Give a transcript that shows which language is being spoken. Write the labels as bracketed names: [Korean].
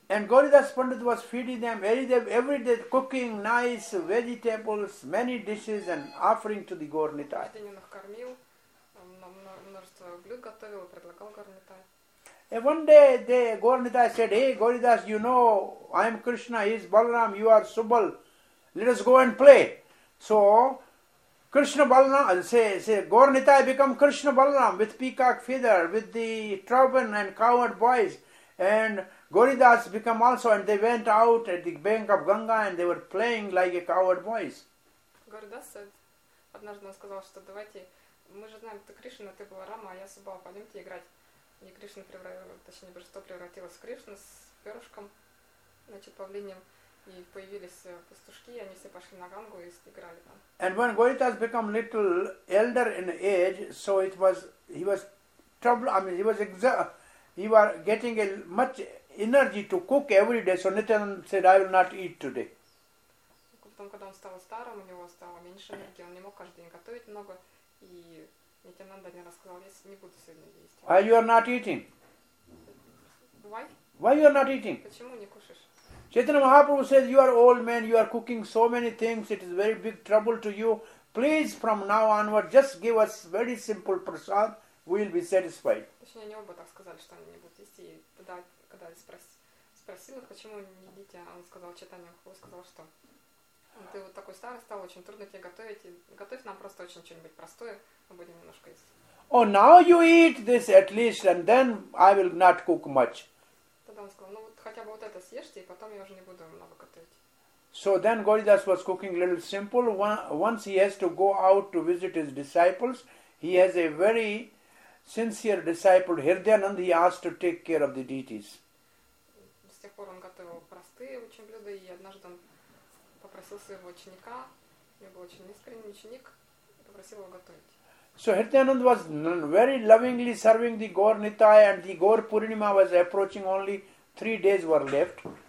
[English] And Gauridas Pandit was feeding them, every day cooking nice vegetables, many dishes and offering to the Гаунитай. [Russian] Каждый день он их кормил, множество блюд готовил и предлагал Гаунитай. [English] And one day the Гаунитай said, hey Gauridas, you know, I am Krishna, he is Balaram, you are Subal, let us go and play. So, Krishna Balaram, say Gauranitai become Krishna Balaram with peacock feather, with the turban and cowherd boys, and Gauridas become also, and they went out at the bank of Ganga and they were playing like a cowherd boys. Gauridas said, [Russian] однажды он сказал, что давайте, мы же знаем, ты Кришна, ты Баларама, а я Субал, пойдемте играть. И Кришна превратилась, точнее, божество превратилось в Кришну с перышком, значит, павлинем. И появились пастушки, они все пошли на Гангу и играли там. [English] And when Gauridas became little elder in age, so it was he was troubled. I mean, he was he was getting a much energy to cook every day. So Nityananda said, "I will not eat today." [Russian] Потом, когда он стал старым, у него стало меньше энергии, он не мог каждый день готовить много, и Нитянанда не рассказал, я не буду сегодня есть. [English] Why you are not eating? Why? Why you are not eating? [Russian] Почему не кушаешь? [English] Chaitanya Mahaprabhu says, you are old man, you are cooking so many things, it is very big trouble to you. Please, from now onward, just give us very simple prasad, we will be satisfied. [Russian] Точнее, они оба так сказали, что они не будут есть. И когда спросил их, почему не едите, он сказал, Chaitanya Mahaprabhu сказал, что ты вот такой старый стал, очень трудно тебе готовить. Готовь нам просто очень что-нибудь простое, мы будем немножко есть. [English] Oh, now you eat this at least, and then I will not cook much. [Russian] Тогда он сказал, ну вот хотя бы вот это съешьте, и потом я уже не буду много готовить. [English] So then Gauridas was cooking a little simple. Once he has to go out to visit his disciples, he has a very sincere disciple, Hridayananda, he asked to take care of the deities. [Russian] С тех пор он готовил простые очень блюда, и однажды он попросил своего ученика, у него был очень искренний ученик, попросил его готовить. [English] So Hridayananda was very lovingly serving the Gaur Nitai, and the Gaur Purnima was approaching. Only 3 days were left.